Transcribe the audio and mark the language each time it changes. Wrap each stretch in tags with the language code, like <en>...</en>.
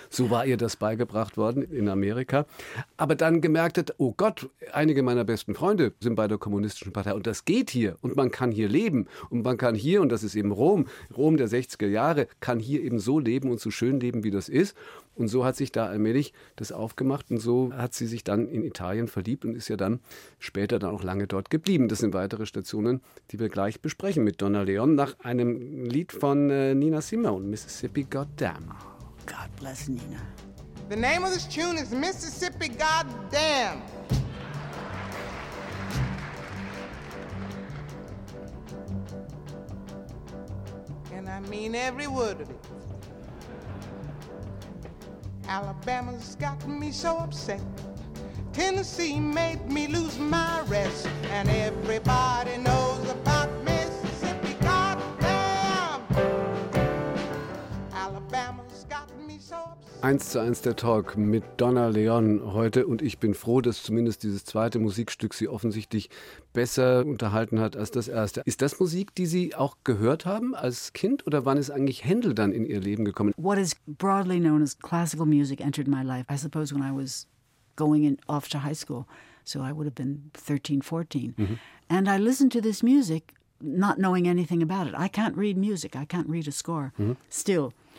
<de>So war ihr das beigebracht worden in Amerika. Aber dann gemerkt hat, oh Gott, einige meiner besten Freunde sind bei der Kommunistischen Partei und das geht hier und man kann hier leben und man kann hier, und das ist eben Rom der 60er Jahre, kann hier eben so leben und so schön leben, wie das ist. Und so hat sich da allmählich das aufgemacht und so hat sie sich dann in Italien verliebt und ist ja dann später dann auch lange dort geblieben. Das sind weitere Stationen, die wir gleich besprechen mit Donna Leon nach einem Lied von Nina Simone, Mississippi Goddamn.</de> <en>Oh, God bless Nina. The name of this tune is Mississippi Goddamn. And I mean every word of it. Alabama's got me so upset. Tennessee made me lose my rest. And everybody knows about Mississippi, goddamn. Alabama's got me so upset.</en> <de>1:1 der Talk mit Donna Leon heute. Und ich bin froh, dass zumindest dieses zweite Musikstück Sie offensichtlich besser unterhalten hat als das erste. Ist das Musik, die Sie auch gehört haben als Kind? Oder wann ist eigentlich Händel dann in Ihr Leben gekommen?</de> <en>What is broadly known as classical music entered my life, I suppose, when I was going in, off to high school. So I would have been 13, 14. And I listened to this music not knowing anything about it. I can't read music. I can't read a score still.</en>